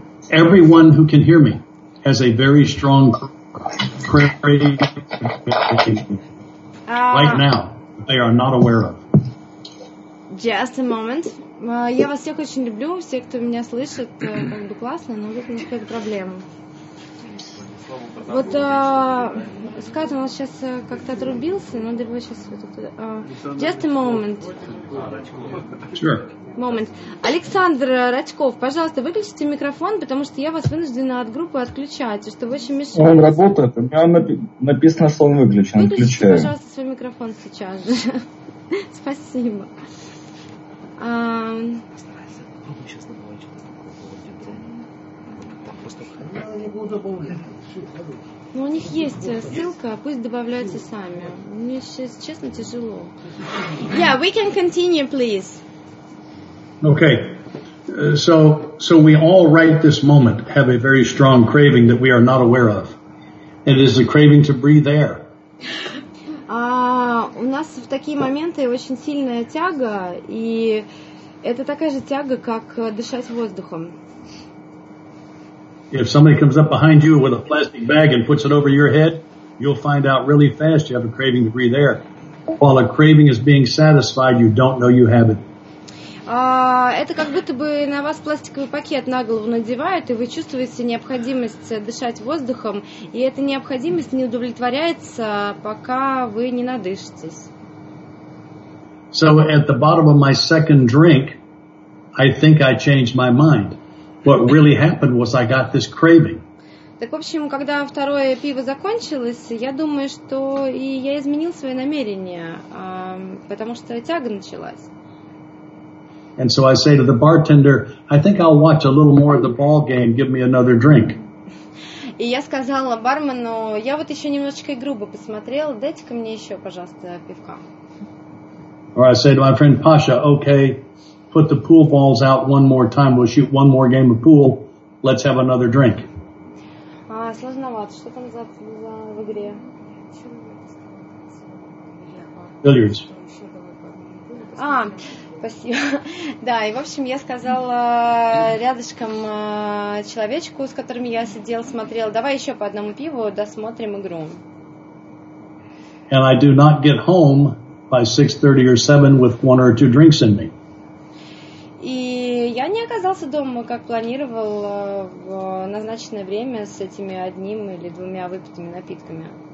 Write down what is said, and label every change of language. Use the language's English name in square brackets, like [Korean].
[English] Everyone who can hear me has a very strong right now they are not aware of. Just a moment. [Russian] Я вас всех очень люблю. Все, кто меня слышит, как бы классно, но тут у нас какая-то проблема. Вот Скат у нас сейчас как-то отрубился, надо его сейчас вот это. [English] Just a moment. Sure. Moment. [Russian] Александр Рачков, пожалуйста, выключите микрофон, потому что я вас вынуждена от группы отключать, что вы очень мешаете. Он работает, у меня написано, что он выключен. Выключите, пожалуйста, свой микрофон сейчас же. Спасибо. Ну, у них есть ссылка, пусть добавляются сами. Мне сейчас, честно, тяжело. [English] Yeah, we can continue, please. Okay. So we all right this moment have a very strong craving that we are not aware of. It is a craving to breathe air. [Russian] У нас в такие моменты очень сильная тяга, и это такая же тяга, как дышать воздухом. [English] If somebody comes up behind you with a plastic bag and puts it over your head, you'll find out really fast you have a craving to breathe air. While a craving is being satisfied, you don't know you have it. [Russian] Это как будто бы на вас пластиковый пакет на голову надевают, и вы чувствуете необходимость дышать воздухом, и эта необходимость не удовлетворяется, пока вы не надышитесь. [English] So at the bottom of my second drink, I think I changed my mind. What really happened was I got this craving. [Russian] Так, в общем, когда второе пиво закончилось, я думаю, что и я изменил свои намерения, потому что тяга началась. [English] And so I say to the bartender, I think I'll watch a little more of the ball game, give me another drink. [Russian] И я сказала бармену, я вот еще немножечко игру бы посмотрел, дайте-ка мне еще, пожалуйста, пивка. [English] Or I say to my friend Pasha, okay, put the pool balls out one more time, we'll shoot one more game of pool, let's have another drink. [Russian] Сложновато. Что там за, за в игре? [English] Billiards. [Russian] А, спасибо. Да, и в общем я сказала рядышком человечку, с которым я сидел, смотрел, давай еще по одному пиву, досмотрим игру. [English] And I do not get home by 6:30 or 7 with one or two drinks in me. [Russian] И я не оказался дома, как планировал, в назначенное время с этими одним или двумя выпитыми напитками.